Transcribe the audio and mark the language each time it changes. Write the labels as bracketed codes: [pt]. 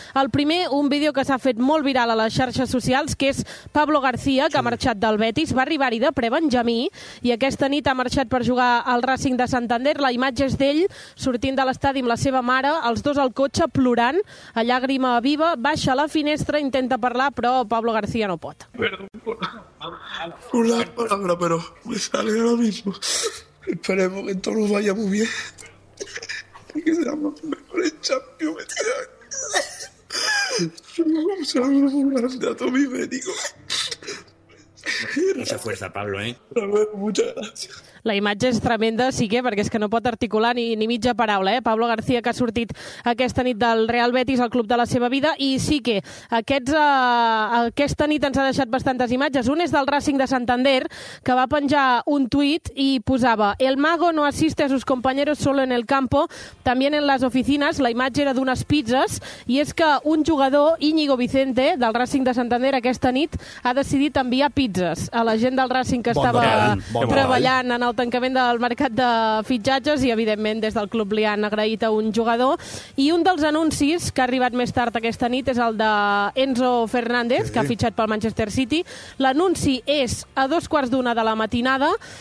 [ca] El primer, un vídeo que s'ha fet molt viral a les xarxes socials, que és Pablo García, que ha marxat del Betis. Va arribar-hi de pre-Benjamí i aquesta nit ha marxat per jugar al Racing de Santander. La imatge és d'ell sortint de l'estadi amb la seva mare, els dos al cotxe plorant, a llàgrima viva, baixa a la finestra, intenta parlar, però Pablo García no pot. [es] Una palabra, pero me sale ahora mismo. Esperemos que todo nos vaya muy bien y que seamos mejores champions este año. Un saludo muy grande a todos mis médicos. Mucha fuerza, Pablo, ¿eh? Bueno, muchas gracias. [ca] La imatge és tremenda, sí que, perquè és que no pot articular ni mitja paraula, eh? Pablo García, que ha sortit aquesta nit del Real Betis, el club de la seva vida, i sí que aquesta nit ens ha deixat bastantes imatges. Un és del Racing de Santander, que va penjar un tuit i posava: [es] el mago no asiste a sus compañeros solo en el campo, también en las oficinas. [ca] La imatge era d'unes pizzas, i és que un jugador, Íñigo Vicente, del Racing de Santander, aquesta nit ha decidit enviar pizzas a la gent del Racing que estava treballant en el tancament del mercat de fitxatges, i evidentment des del club li han agraït a un jugador. I un dels anuncis que ha arribat més tard aquesta nit és el d'Enzo Fernández, sí, que ha fitxat pel Manchester City. L'anunci és a 1:15 de la matinada